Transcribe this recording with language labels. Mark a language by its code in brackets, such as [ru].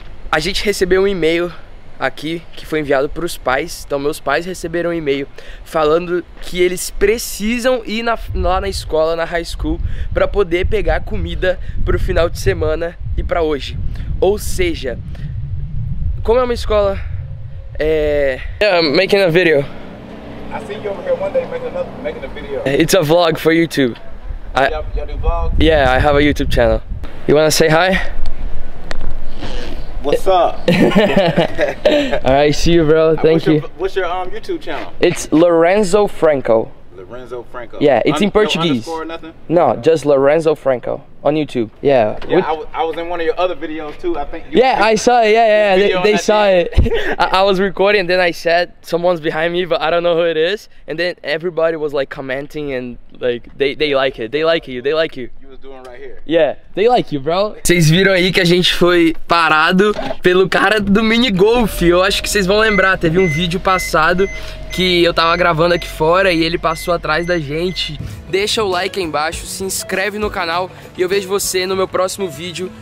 [pt] a gente recebeu um e-mail aqui que foi enviado para os pais. Então meus pais receberam um e-mail falando que eles precisam ir lá na escola, na high school, para poder pegar comida para o final de semana e para hoje. Ou seja, como é uma escola... [en] é... yeah, I'm making a video. I see you over here one day making a video. It's a vlog for YouTube. Y'all do vlogs? Yeah, I have a YouTube channel. You wanna say hi? What's up? Alright, see you, bro. Thank you. What's your YouTube channel? It's Lorenzo Franco. Lorenzo Franco. Yeah, it's in Portuguese. No underscore or nothing? No, just Lorenzo Franco on YouTube. Yeah. Yeah, I was in one of your other videos too. I think. I saw it. Yeah. They saw it. I was recording, then I said someone's behind me, but I don't know who it is. And then everybody was like commenting and like they like it. They like you. They like you. Doing right here. Yeah, they like you, bro. [pt] Vocês viram aí que a gente foi parado pelo cara do mini golf. Eu acho que vocês vão lembrar, teve um vídeo passado que eu tava gravando aqui fora e ele passou atrás da gente. Deixa o like aí embaixo, se inscreve no canal e eu vejo você no meu próximo vídeo.